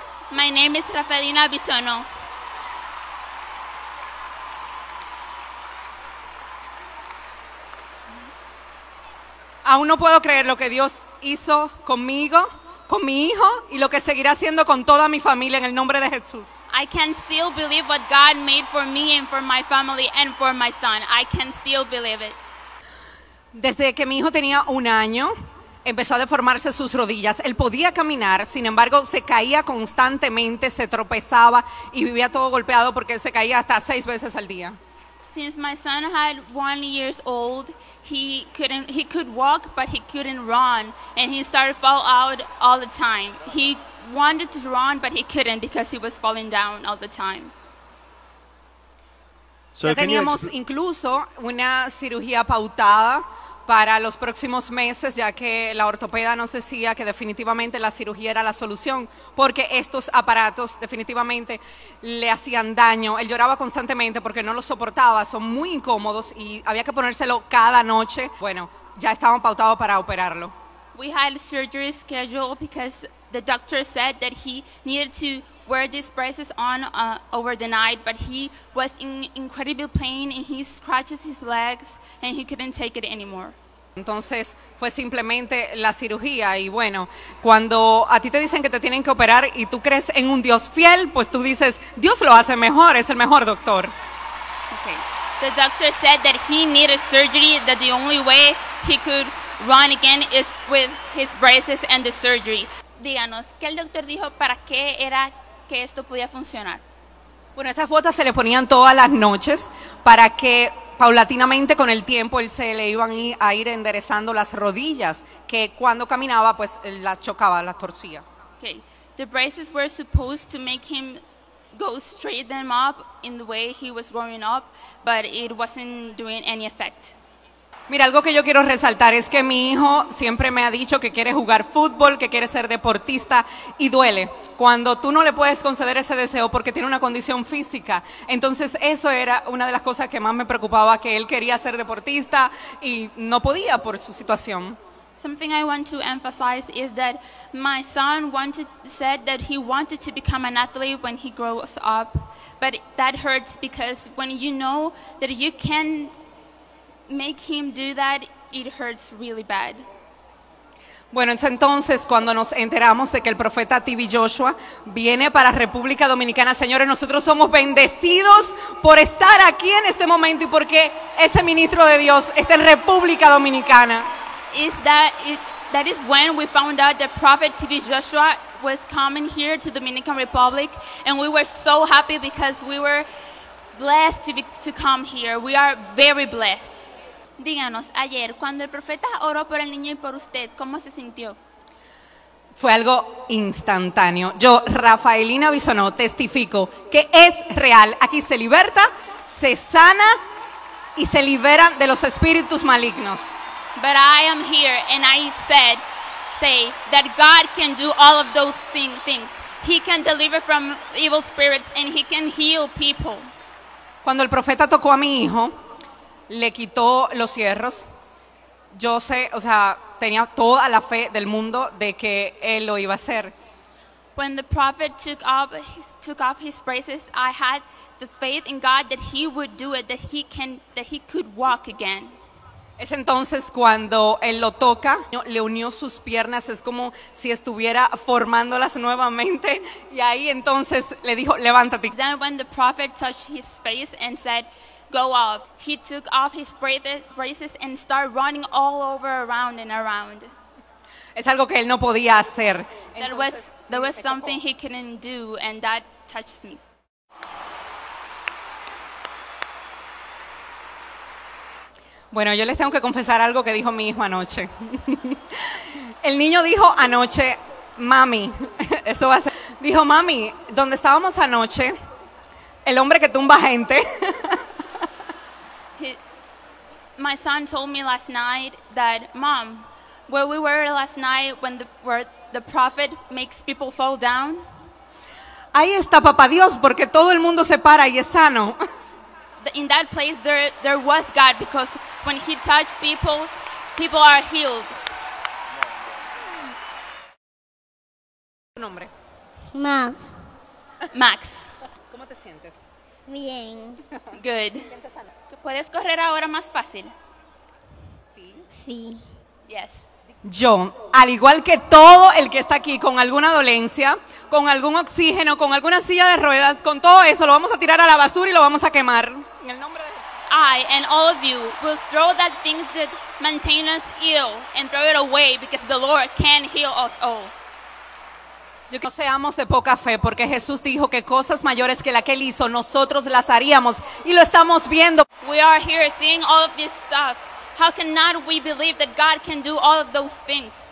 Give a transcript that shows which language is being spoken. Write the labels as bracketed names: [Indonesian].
[English] My name is Rafaelina Bisonó. [Spanish] Aún no puedo creer lo que Dios hizo conmigo, con mi hijo y lo que seguirá haciendo con toda mi familia en el nombre de Jesús. [English] I can still believe what God made for me and for my family and for my son. I can still believe it. [Spanish] Desde que mi hijo tenía un año, empezó a deformarse sus rodillas. Él podía caminar, sin embargo, se caía constantemente, se tropezaba y vivía todo golpeado porque se caía hasta 6 veces al día. [English] Since my son had 1 year old, he could walk, but he couldn't run, and he started fall out all the time. He wanted to run, but he couldn't because he was falling down all the time. [Spanish] So ya teníamos incluso una cirugía pautada para los próximos meses, ya que la ortopeda nos decía que definitivamente la cirugía era la solución, porque estos aparatos definitivamente le hacían daño. Él lloraba constantemente porque no lo soportaba, son muy incómodos y había que ponérselo cada noche. Bueno, ya estaban pautados para operarlo. [English] We had surgery scheduled because the doctor said that he needed to wear these braces on over the night, but he was in incredible pain and he scratches his legs and he couldn't take it anymore. [Spanish] Entonces fue simplemente la cirugía y bueno, cuando a ti te dicen que te tienen que operar y tú crees en un Dios fiel, pues tú dices, Dios lo hace mejor, es el mejor doctor. [English] Okay. The doctor said that he needed surgery, that the only way he could run again is with his braces and the surgery. [Spanish] Díganos, ¿qué el doctor dijo para qué era que esto podía funcionar? Bueno, estas botas se le ponían todas las noches para que paulatinamente con el tiempo él se le iban a ir enderezando las rodillas, que cuando caminaba pues las chocaba, las torcía. [English] Okay, the braces were supposed to make him go straight them up in the way he was growing up, but it wasn't doing any effect. [Spanish] Mira, algo que yo quiero resaltar es que mi hijo siempre me ha dicho que quiere jugar fútbol, que quiere ser deportista, y duele. Cuando tú no le puedes conceder ese deseo porque tiene una condición física, entonces eso era una de las cosas que más me preocupaba, que él quería ser deportista y no podía por su situación. [English] Something I want to emphasize is that my son said that he wanted to become an athlete when he grows up, but that hurts because when you know that you can make him do that, it hurts really bad. [Spanish] Bueno, entonces cuando nos enteramos de que el profeta TV Joshua viene para República Dominicana, señores, nosotros somos bendecidos por estar aquí en este momento y porque ese ministro de Dios está en República Dominicana. [English] That is when we found out that Prophet TV Joshua was coming here to Dominican Republic, and we were so happy because we were blessed to come here. We are very blessed. [Spanish] Díganos, ayer, cuando el profeta oró por el niño y por usted, ¿cómo se sintió? Fue algo instantáneo. Yo, Rafaelina Bisonó, testifico que es real. Aquí se liberta, se sana y se libera de los espíritus malignos. [English] But I am here and I say that God can do all of those things. He can deliver from evil spirits and he can heal people. [Spanish] Cuando el profeta tocó a mi hijo, le quitó los cierros. Yo sé, o sea, tenía toda la fe del mundo de que él lo iba a hacer. [English] When the prophet took off his braces, I had the faith in God that he would do it, that he could walk again. [Spanish] Es entonces cuando él lo toca, le unió sus piernas, es como si estuviera formándolas nuevamente, y ahí entonces le dijo, levántate. [English] Then when the prophet touched his face and said, go up. He took off his braces and started running all over around and around. [Spanish] Es algo que él no podía hacer. [English] That was something he couldn't do, and that touched me. [Spanish] Bueno, yo les tengo que confesar algo que dijo mi hijo anoche. El niño dijo anoche, mami, esto va a ser. Dijo, mami, donde estábamos anoche, el hombre que tumba gente. [English] My son told me last night that, mom, where we were last night when the prophet makes people fall down. [Spanish] Ahí está Papá Dios porque todo el mundo se para y es sano. [English] In that place there was God because when he touched people, people are healed. [Spanish] ¿Tu nombre? Max. Max. ¿Cómo te sientes? Bien. [English] Good. [Spanish] ¿Puedes correr ahora más fácil? Sí. [English] Yes. [Spanish] Yo, al igual que todo el que está aquí con alguna dolencia, con algún oxígeno, con alguna silla de ruedas, con todo eso, lo vamos a tirar a la basura y lo vamos a quemar. En el nombre de Jesús. [English] I and all of you will throw that thing that maintains us ill and throw it away because the Lord can heal us all. [Spanish] Yo que no seamos de poca fe, porque Jesús dijo que cosas mayores que la que Él hizo, nosotros las haríamos. Y lo estamos viendo. [English] We are here seeing all of this stuff. How cannot we believe that God can do all of those things?